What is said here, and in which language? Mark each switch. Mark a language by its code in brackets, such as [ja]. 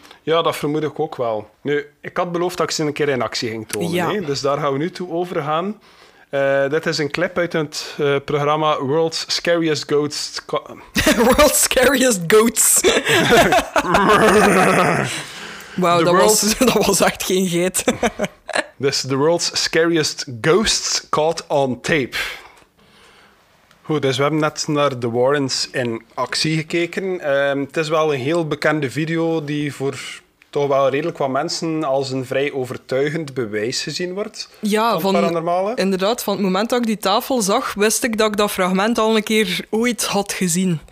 [nl] Ja, dat vermoed ik ook wel. Nu, ik had beloofd dat ik ze een keer in actie ging tonen, ja. Hè? Dus daar gaan we nu toe overgaan. Dit is een clip uit het programma World's Scariest Ghosts. World's Scariest Ghosts. Wauw, dat was echt geen geit. [en] This is the world's scariest ghosts caught on tape. [nl] Goed, dus we hebben net naar The Warrens in actie gekeken. Het is wel een heel bekende video die voor toch wel redelijk wat mensen als een vrij overtuigend bewijs gezien wordt. Ja, van paranormale. Inderdaad, van het moment dat ik die tafel zag, wist ik dat ik dat fragment al een keer ooit had gezien.